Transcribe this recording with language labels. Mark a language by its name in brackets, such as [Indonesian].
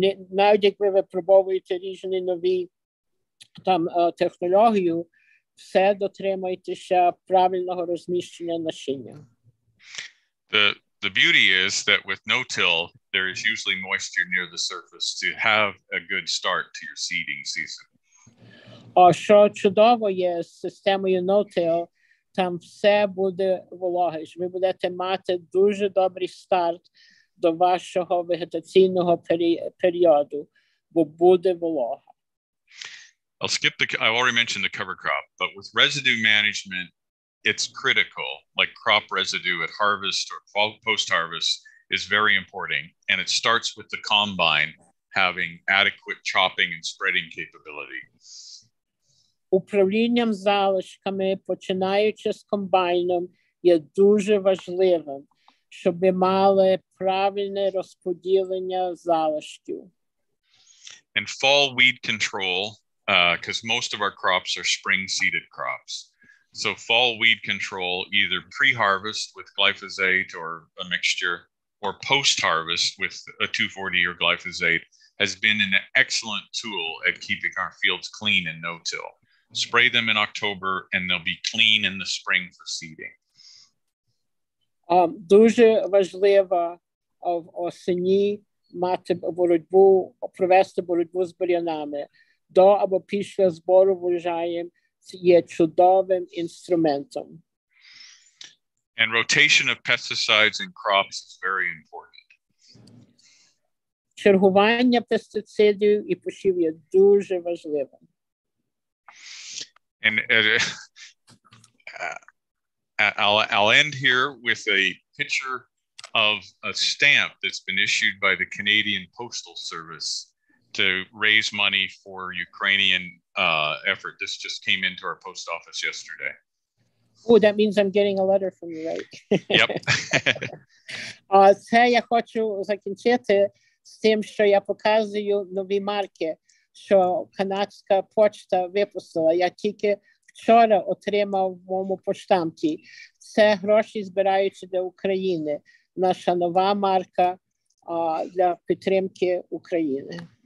[Ukrainian] Навіть якби ви пробовуєте різні нові там технологію, все дотримуйтеся правильного розміщення насіння. [English] The beauty is that with no-till, there is usually moisture near the surface to have a good start to your seeding season. [Ukrainian] Що чудово є з системою no-till, там все буде вологе. Ви будете мати дуже добрий старт до вашого вегетаційного періоду, бо буде вологе. [English] I've already mentioned the cover crop, but with residue management, it's critical, like crop residue at harvest or post-harvest is very important. And it starts with the combine having adequate chopping and spreading capability. [Ukrainian] Управлінням залишками, починаючи з комбайном, є дуже важливим, щоб мали правильне розподілення залишків. [English] And fall weed control, because most of our crops are spring-seeded crops. So fall weed control, either pre-harvest with glyphosate or a mixture, or post-harvest with a 2,4-D or glyphosate, has been an excellent tool at keeping our fields clean and no-till. Spray them in October, and they'll be clean in the spring for seeding. [Ukrainian] Дуже важливо в осені мати боротьбу, провести боротьбу з бур'янами. до або після збору врожаєм є чудовим інструментом. [English] And rotation of pesticides in crops is very important. [Ukrainian] Чергування пестицидів і посів є дуже важливим. [English] And I'll end here with a picture of a stamp that's been issued by the Canadian Postal Service to raise money for Ukrainian effort. This just came into our post office yesterday. Oh, that means I'm getting a letter from you, right? Yep. [Ukrainian] Це я хочу закінчити з тим, що я показую нові марки, що канадська пошта випустила. Я тільки вчора отримав в моєму поштамті. Це гроші збираються для України. Наша нова марка для підтримки України.